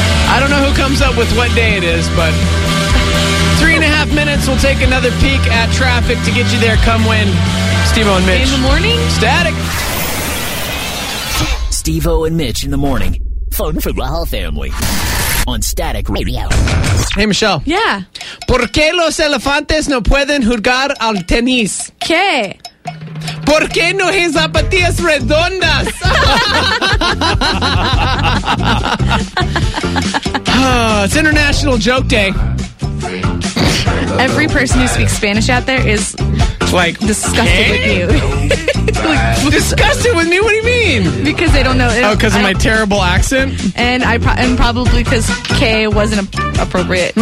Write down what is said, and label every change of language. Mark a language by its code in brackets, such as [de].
[en] I don't know who comes up with what day it is, but 3.5 minutes. We'll take another peek at traffic to get you there. Come when Steve-O and Mitch. In the morning? Static. Steve-O and Mitch in the morning. Phone for the whole family. On Static Radio. Hey, Michelle. Yeah. [es] ¿Por qué los elefantes no pueden jugar al tenis? ¿Qué? ¿Por qué no hay zapatillas redondas? [en] It's International Joke Day. Every person who speaks Spanish out there is like disgusted with you. Like, disgusted with me? What do you mean? Because they don't know. Oh, because of my terrible accent? And probably because K wasn't appropriate.